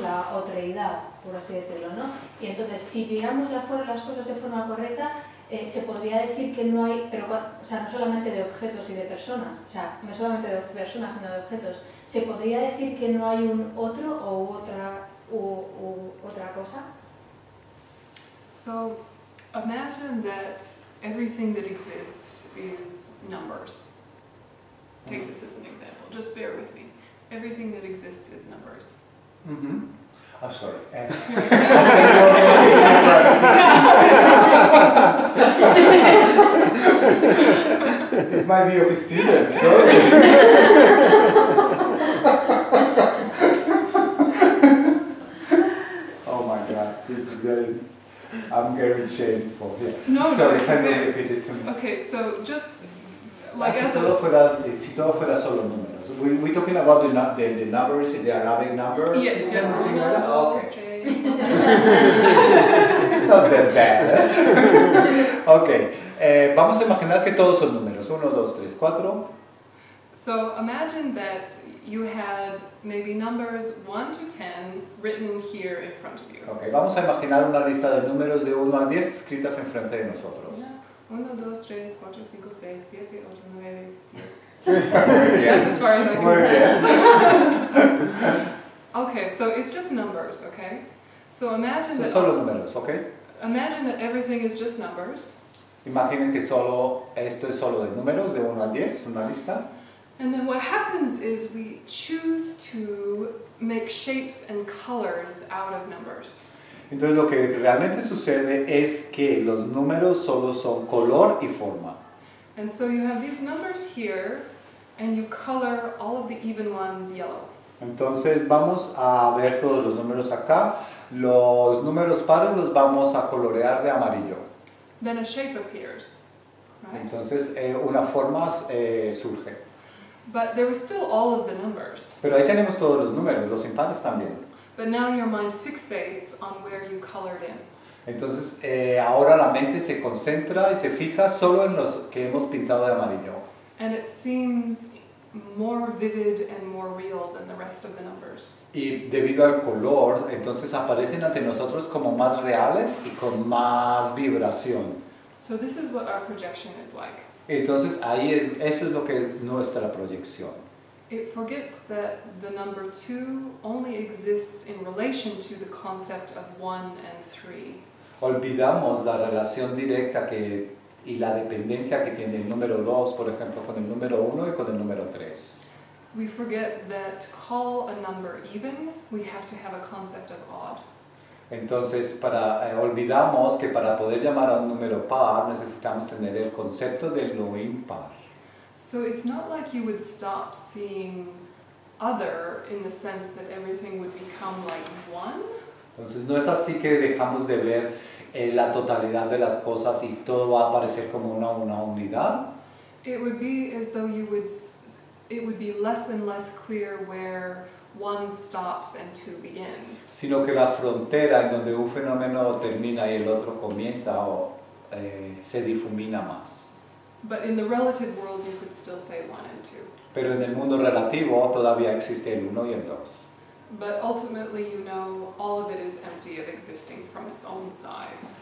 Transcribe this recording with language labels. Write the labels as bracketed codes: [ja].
[es] La otreidad, por así decirlo, ¿no? Y entonces, si miramos las cosas de forma correcta, se podría decir que no hay, pero o sea, no solamente de objetos y de personas, o sea, no solamente de personas, sino de objetos. ¿Se podría decir que no hay un otro o otra u otra cosa? [en] So, imagine that everything that exists is numbers. Take this as an example. Just bear with me. Everything that exists is numbers. Mm-hmm. I'm sorry. It's my view of a student, sorry. Oh my God, this is good. I'm very shameful. Yeah. No, sorry, can you repeat it to me? Okay, so just like [es] si [en] as [es] todo a... fuera, si todo fuera solo números. [en] We're talking about the numbers, the Arabic numbers? Yes, yeah. Like that? Okay. It's not that bad. [es] Okay, vamos a imaginar que todos son números. Uno, dos, tres, cuatro. [en] So imagine that you had maybe numbers 1 to 10 written here in front of you. [es] Okay, vamos a imaginar una lista de números de 1 a 10 escritas en frente de nosotros. [en] 1, 2, 3, 4, 5, 6, 7, 8, 9, 10. That's as far as I can [es] Muy bien. [en] Okay, so it's just numbers, okay? So imagine so that... [es] solo números, okay? [en] Imagine that everything is just numbers. [es] Imaginen que solo esto es solo de números de 1 a 10, una lista. [en] And then what happens is we choose to make shapes and colors out of numbers. [es] Entonces lo que realmente sucede es que los números solo son color y forma. [en] And so you have these numbers here, and you color all of the even ones yellow. [es] Entonces vamos a ver todos los números acá. Los números pares los vamos a colorear de amarillo. [en] Then a shape appears. Right? [es] Entonces una forma surge. [en] But there was still all of the numbers. [es] Pero ahí tenemos todos los números, los impares también. [en] But now your mind fixates on where you colored in. [es] Entonces, ahora la mente se concentra y se fija solo en los que hemos pintado de amarillo. [en] And it seems more vivid and more real than the rest of the numbers. [es] Y debido al color, entonces aparecen ante nosotros como más reales y con más vibración. [en] So this is what our projection is like. [es] Entonces ahí es, eso es lo que es nuestra proyección. [en] It forgets that the number two only exists in relation to the concept of one and three. [es] Olvidamos la relación directa que y la dependencia que tiene el número dos, por ejemplo, con el número uno y con el número tres. [en] We forget that to call a number even, we have to have a concept of odd. [es] Entonces, olvidamos que para poder llamar a un número par, necesitamos tener el concepto de lo impar. [en] So it's not like you would stop seeing other in the sense that everything would become like one. [es] Entonces, no es así que dejamos de ver la totalidad de las cosas y todo va a aparecer como una unidad. [en] It would be as though you would, it would be less and less clear where one stops and two begins. [es] Sino que la frontera en donde un fenómeno termina y el otro comienza o se difumina más. [en] But in the relative world you could still say one and two. [es] Pero en el mundo relativo todavía existe el uno y el dos. [en] But ultimately you know all of it is empty of existing from its own side.